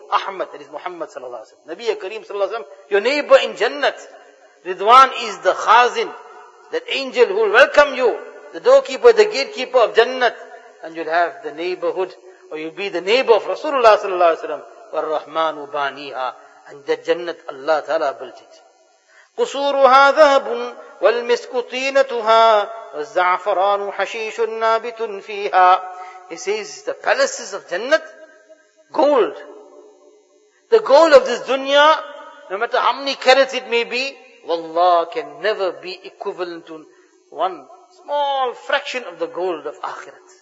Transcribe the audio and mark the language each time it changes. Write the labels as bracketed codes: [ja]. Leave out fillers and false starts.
[en] Ahmad, that is Muhammad sallallahu alayhi wa sallam. Nabiya Kareem sallallahu alayhi wa sallam, your neighbor in Jannat. Ridwan is the khazin, that angel who will welcome you, the doorkeeper, the gatekeeper of Jannat. And you'll have the neighborhood, or you'll be the neighbor of Rasulullah sallallahu alayhi wa sallam. [ar] Wal-Rahmanu baniha. [en] And that Jannat Allah ta'ala built it. [ar] قصورها ذهب والمسك طينتها والزعفران حشيش نابت فيها. [en] He says, the palaces of Jannat, gold. The gold of this dunya, no matter how many carats it may be, wallah, can never be equivalent to one small fraction of the gold of akhirat.